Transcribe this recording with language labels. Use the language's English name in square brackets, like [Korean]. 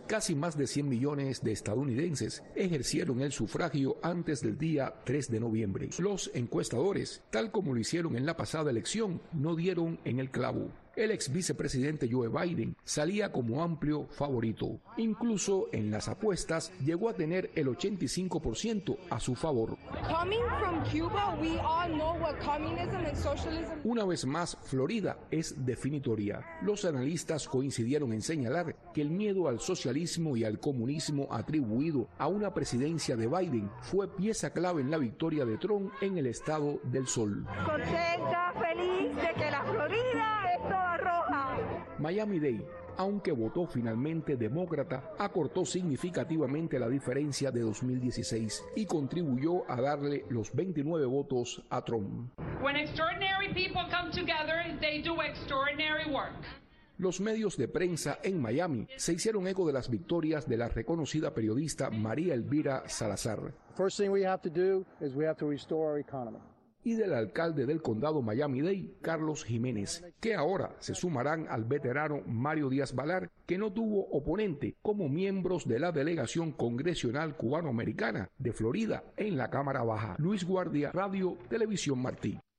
[Spanish] Casi más de 100 millones de estadounidenses ejercieron el sufragio antes del día 3 de noviembre. Los encuestadores, tal como lo hicieron en la pasada elección, no dieron en el clavo. El ex vicepresidente Joe Biden salía como amplio favorito. Incluso en las apuestas llegó a tener el 85% a su favor. [English] Coming from Cuba, we all know what communism and socialism... [Spanish] Una vez más, Florida es definitoria. Los analistas coincidieron en señalar que el miedo al socialismo y al comunismo atribuido a una presidencia de Biden fue pieza clave en la victoria de Trump en el estado del sol. Contenta, feliz de que la Florida... Miami-Dade, aunque votó finalmente demócrata, acortó significativamente la diferencia de 2016 y contribuyó a darle los 29 votos a Trump. [English] When extraordinary people come together, they do extraordinary work. [Spanish] Los medios de prensa en Miami se hicieron eco de las victorias de la reconocida periodista María Elvira Salazar. [English] First thing we have to do is we have to restore our economy. [Spanish] Y del alcalde del condado Miami-Dade, Carlos Jiménez, que ahora se sumarán al veterano Mario Díaz-Balart, que no tuvo oponente como miembros de la delegación congresional cubano-americana de Florida en la Cámara Baja. Luis Guardia, Radio Televisión Martí.